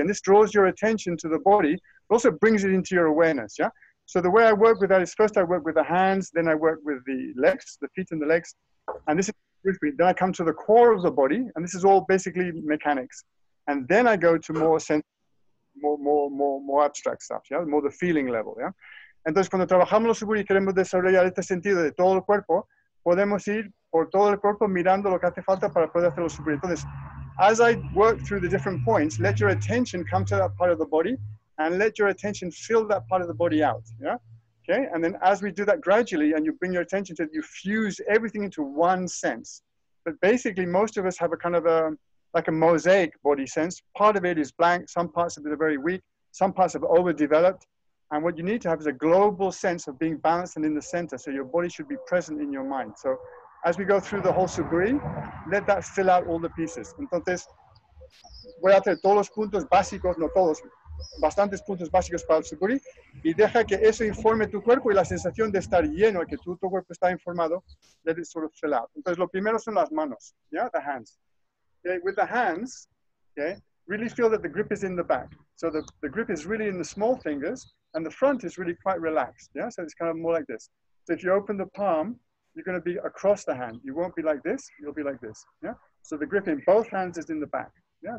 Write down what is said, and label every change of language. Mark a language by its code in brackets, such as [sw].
[en] And this draws your attention to the body, but also brings it into your awareness, yeah? So the way I work with that is first I work with the hands, then I work with the legs, the feet and the legs. And this is with me. Then I come to the core of the body, and this is all basically mechanics. And then I go to more sense, more abstract stuff, yeah? More the feeling level, yeah? [es] Entonces, cuando trabajamos los suburi y queremos desarrollar este sentido de todo el cuerpo, podemos ir por todo el cuerpo mirando lo que hace falta para poder hacer los suburi. [en] Entonces, as I work through the different points, let your attention come to that part of the body and let your attention fill that part of the body out, yeah? Okay, and then as we do that gradually and you bring your attention to it, you fuse everything into one sense. But basically, most of us have a kind of a, like a mosaic body sense. Part of it is blank, some parts of it are very weak, some parts have overdeveloped. And what you need to have is a global sense of being balanced and in the center. So your body should be present in your mind. So as we go through the whole suburi, let that fill out all the pieces. [es] Entonces, voy a hacer todos los puntos básicos, no todos, bastantes puntos básicos para el suburi. Y deja que eso informe tu cuerpo y la sensación de estar lleno, que tu cuerpo está informado, [en] let it sort of fill out. [es] Entonces, lo primero son las manos, yeah, [en] the hands. Okay, with the hands, okay, really feel that the grip is in the back. So the grip is really in the small fingers. And the front is really quite relaxed, yeah? So it's kind of more like this. So if you open the palm, you're going to be across the hand. You won't be like this, you'll be like this, yeah? So the grip in both hands is in the back, yeah?